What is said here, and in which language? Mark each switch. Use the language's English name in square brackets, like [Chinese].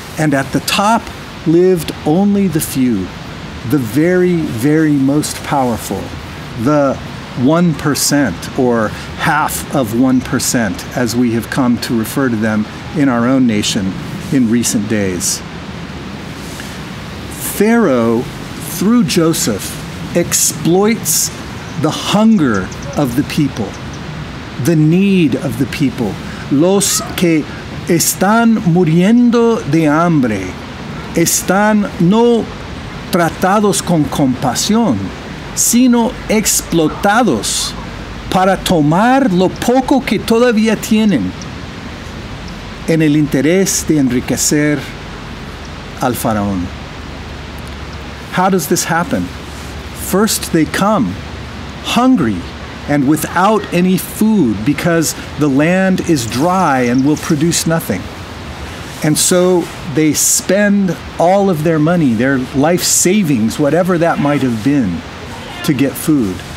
[English] And at the top lived only the few, the very, very most powerful, the 1% or half of 1%, as we have come to refer to them in our own nation in recent days. Pharaoh, through Joseph, exploits the hunger of the people, the need of the people. [Spanish] Los que están muriendo de hambre están no tratados con compasión, sino explotados para tomar lo poco que todavía tienen en el interés de enriquecer al faraón. [English] How does this happen? First, they come hungry and without any food because the land is dry and will produce nothing. And so they spend all of their money, their life savings, whatever that might have been, to get food.